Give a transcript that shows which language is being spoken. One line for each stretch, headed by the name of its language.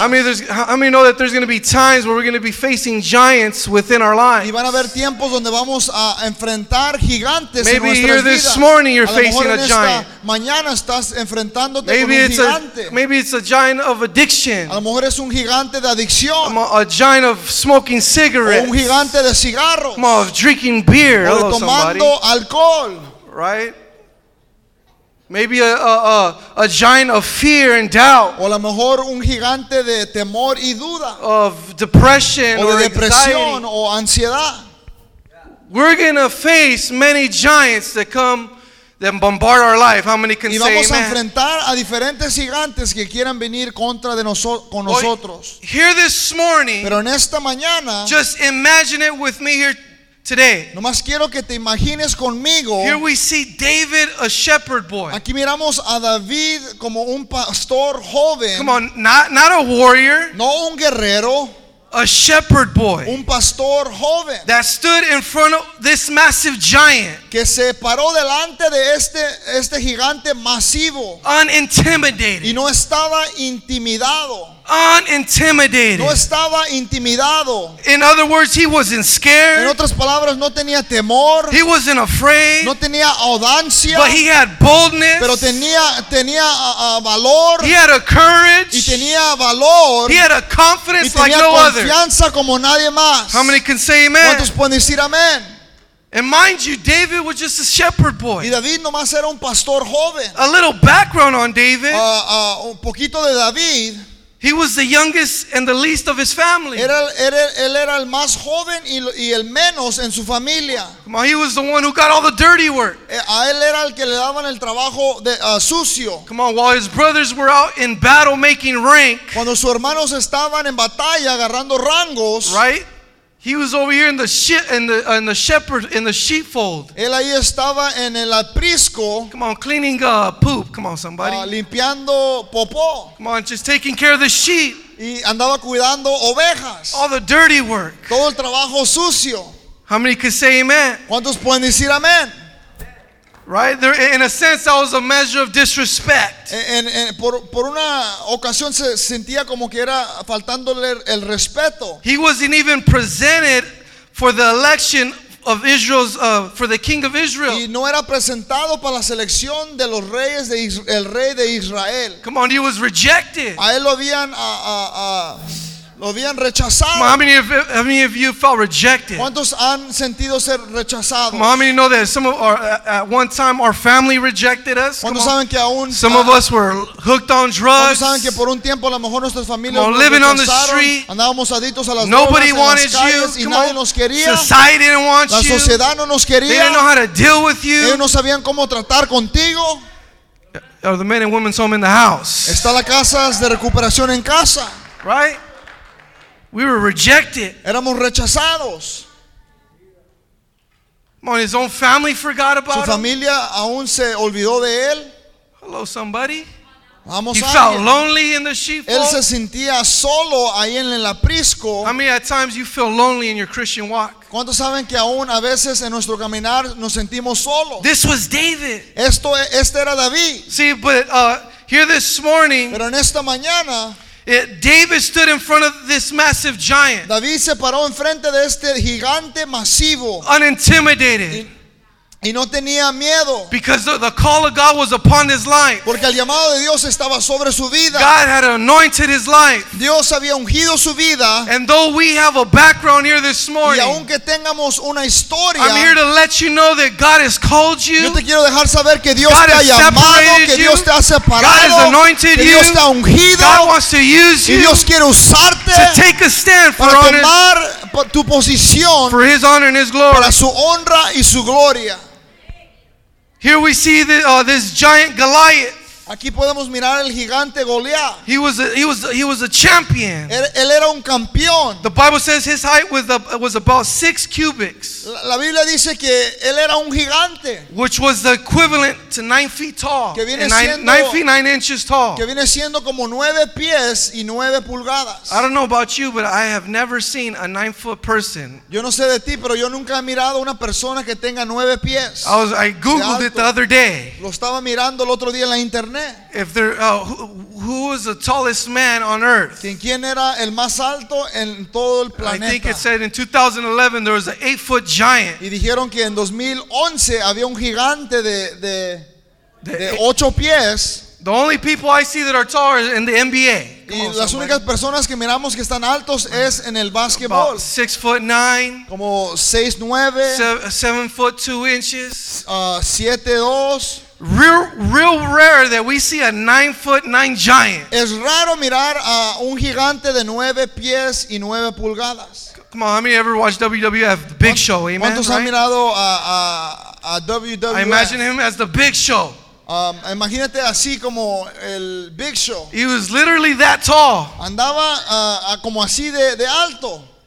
English: I mean, there's going to be times where we're going to be facing giants within our lives.
Spanish: Y van a haber tiempos donde vamos a enfrentar gigantes.
English: Maybe
Spanish: en nuestras
English: here
Spanish: vidas.
English: This morning you're facing a giant.
Spanish: Mañana estás enfrentándote
English: maybe
Spanish: con un gigante.
English: Maybe it's a giant of addiction.
Spanish: A lo mejor es un gigante de adicción.
English: A giant of smoking cigarettes.
Spanish: O un gigante de cigarros.
English: Come on, drinking beer.
Spanish: O de tomando alcohol.
English: Right? Maybe a giant of fear and doubt.
Spanish: O a lo mejor un gigante de temor y duda.
English: Of depression
Spanish: o de
English: or
Spanish: depresión O ansiedad.
English: Yeah. We're going to face many giants that come that bombard our life. How many can say amen?
Spanish: Y vamos a enfrentar a diferentes gigantes que quieran venir contra de con nosotros.
English: Well, here this morning.
Spanish: Pero en esta mañana.
English: Just imagine it with me here today.
Spanish: Nomás quiero que te imagines conmigo.
English: Here we see David, a shepherd boy.
Spanish: Aquí miramos a David como un pastor joven.
English: Come on, not a warrior.
Spanish: No un guerrero.
English: a shepherd boy,
Spanish: un pastor joven,
English: that stood in front of this massive giant,
Spanish: que se paró delante de este gigante masivo,
English: unintimidated,
Spanish: y no estaba intimidado.
English: Unintimidated.
Spanish: No estaba intimidado.
English: In other words, he wasn't scared.
Spanish: En otras palabras, no tenía temor.
English: He wasn't afraid.
Spanish: No tenía audacia.
English: But he had boldness.
Spanish: Pero tenía valor.
English: He had a courage.
Spanish: Y tenía valor.
English: He had a confidence like no other.
Spanish: Y tenía confianza como nadie más.
English: How many can say amen?
Spanish: ¿Cuántos pueden decir amén?
English: And mind you, David was just a shepherd boy.
Spanish: Y David nomás era un pastor joven.
English: A little background on David.
Spanish: Un poquito de David.
English: He was the youngest and the least of his family.
Spanish: Él era el más joven y el menos en su familia.
English: He was the one who got all the dirty work.
Spanish: A él era el que le daban el trabajo de sucio.
English: Come on, while his brothers were out in battle making rank.
Spanish: Cuando sus hermanos estaban en batalla agarrando rangos.
English: Right? He was over here in the sheepfold.
Spanish: Él ahí estaba en el aprisco.
English: Come on, cleaning poop. Come on, somebody.
Spanish: Limpiando popó.
English: Come on, just taking care of the sheep.
Spanish: Y andaba cuidando ovejas.
English: All the dirty work.
Spanish: Todo el trabajo sucio.
English: How many can say amen?
Spanish: ¿Cuántos pueden decir amén?
English: Right there, in a sense, that was a measure of disrespect.
Spanish: Por una ocasión se sentía como que era faltándole el respeto.
English: He wasn't even presented for the election of Israel's for the king of Israel.
Spanish: Y no era presentado para la selección de los reyes de el rey de Israel.
English: Come on, he was rejected.
Spanish: A él lo habían rechazado.
English: How many of you felt rejected?
Spanish: ¿Cuántos han sentido ser rechazados?
English: How many know that some of our, at one time our family rejected us?
Spanish: ¿Cuántos saben que aún,
English: some of us were hooked on drugs?
Spanish: ¿Cuántos saben que por un tiempo a lo mejor nuestras familias
English: on,
Spanish: nos
English: living on the street?
Spanish: Andábamos adictos a las
English: nobody
Spanish: drogas,
English: wanted
Spanish: calles,
English: you.
Spanish: Y nadie nos quería.
English: Society didn't want
Spanish: la sociedad
English: you.
Spanish: No nos quería.
English: They didn't know how to deal with you.
Spanish: Ellos no sabían cómo tratar contigo.
English: Are the men and women's home in the house?
Spanish: Está la casa de recuperación en casa.
English: Right? We were rejected.
Spanish: Éramos rechazados.
English: Come on, his own family forgot about him.
Spanish: Su familia aún se olvidó de él.
English: Hello, somebody.
Spanish: Vamos
English: he
Spanish: a
English: felt
Spanish: alguien.
English: Lonely in the sheepfold.
Spanish: Él se sentía solo ahí en el aprisco.
English: How many at times you feel lonely in your Christian walk?
Spanish: ¿Cuántos saben que aún a veces en nuestro caminar nos sentimos solos?
English: This was David.
Spanish: Este era David.
English: See, but here this morning.
Spanish: Pero en esta mañana.
English: David stood in front of this massive giant.
Spanish: David se paró enfrente de este gigante masivo.
English: Unintimidated.
Spanish: Y no tenía miedo.
English: Because the call of God was upon his life.
Spanish: Porque el llamado de Dios estaba sobre su vida.
English: God had anointed his life.
Spanish: Dios había ungido su vida.
English: And though we have a background here this morning,
Spanish: y aunque tengamos una historia,
English: I'm here to let you know that God has called you.
Spanish: Yo te quiero dejar saber que Dios te ha llamado, que Dios te ha separado.
English: God has anointed you.
Spanish: Dios te ha ungido.
English: God wants to use you.
Spanish: Y Dios quiere usarte
English: to take a stand for
Spanish: para tomar tu posición
English: for his honor and his glory.
Spanish: Para su honra y su gloria.
English: Here we see this giant Goliath.
Spanish: Aquí podemos mirar el gigante Goliath.
English: He was a champion.
Spanish: Él era un campeón.
English: The Bible says his height was about 6 cubits.
Spanish: La Biblia dice que él era un gigante.
English: Which was the equivalent to 9 feet tall.
Spanish: Que viene siendo
English: 9 feet 9 inches tall.
Spanish: Que viene siendo como 9 pies y 9 pulgadas.
English: I don't know about you, but I have never seen a 9 foot person.
Spanish: Yo no sé de ti, pero yo nunca he mirado una persona que tenga 9 pies.
English: I googled it the other day.
Spanish: Lo estaba mirando el otro día en la internet.
English: If there, who was the tallest man on earth?
Spanish: ¿Quién era el más alto en todo el planeta?
English: I think it said in 2011 there was an 8 foot giant.
Spanish: Y dijeron que en 2011 había un gigante de 8 pies.
English: The only people I see that are tall are in the NBA.
Spanish: Y las únicas personas que miramos que están altos es en el básquetbol.
English: 6'9".
Spanish: Como 6'9".
English: 7'2".
Spanish: 7'2".
English: Real rare that we see a 9'9" giant.
Spanish: Es raro mirar a un gigante de 9 pies y 9 pulgadas.
English: Come on, how many ever watched WWF, The Big Show? Amen.
Spanish: ¿Cuántos
English: right?
Spanish: han mirado a WWF?
English: I imagine him as The Big Show.
Spanish: Imagínate así como el Big Show.
English: He was literally that tall.
Spanish: Andaba como así de alto.